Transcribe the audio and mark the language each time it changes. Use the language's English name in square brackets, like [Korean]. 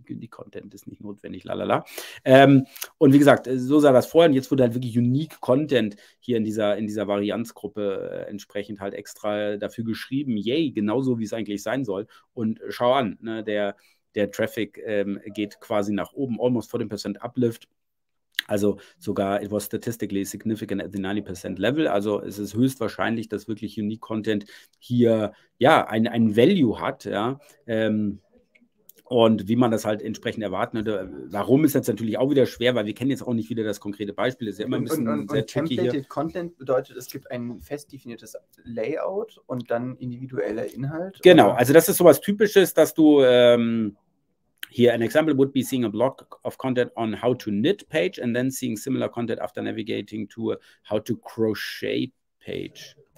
[German] Unique Content ist nicht notwendig, lalala. Und wie gesagt, so sah das vorher und jetzt wurde halt wirklich Unique Content hier in dieser Varianzgruppe entsprechend halt extra dafür geschrieben. Yay, genauso wie es eigentlich sein soll. Und schau an, ne, der Traffic geht quasi nach oben, [English] almost 40% Uplift. [German] Also sogar, [English] it was statistically significant at the 90% level. [German] Also es ist höchstwahrscheinlich, dass wirklich Unique Content hier, ja, ein Value hat, ja. Und wie man das halt entsprechend erwarten würde. Warum ist jetzt natürlich auch wieder schwer, weil wir kennen jetzt auch nicht wieder das konkrete Beispiel. Ist ja immer ein bisschen und sehr tricky Templated hier. Content bedeutet, es gibt ein fest definiertes Layout und dann individueller Inhalt. Genau, oder? Also das ist sowas Typisches, dass du... [English] Here, an example would be seeing a block of content on how to knit page and then seeing similar content after navigating to a how to crochet page.